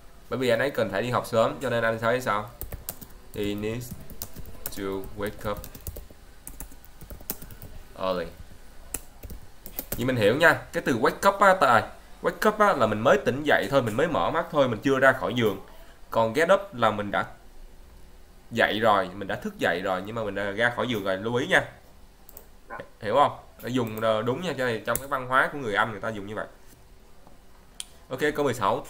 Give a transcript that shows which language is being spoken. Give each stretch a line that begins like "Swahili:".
Vietnamese: Bởi vì anh ấy cần phải đi học sớm cho nên anh thấy sao?
English: He needs to wake up early.
Vietnamese: Vậy mình hiểu nha, cái từ wake up á, tại wake up á là mình mới tỉnh dậy thôi, mình mới mở mắt thôi, mình chưa ra khỏi giường. Còn get up là mình đã dậy rồi, mình đã thức dậy rồi nhưng mà mình đã ra khỏi giường rồi, lưu ý nha. Hiểu không? Dùng đúng nha, cho này trong cái văn hóa của người Anh người ta dùng như vậy. Ok, câu 16.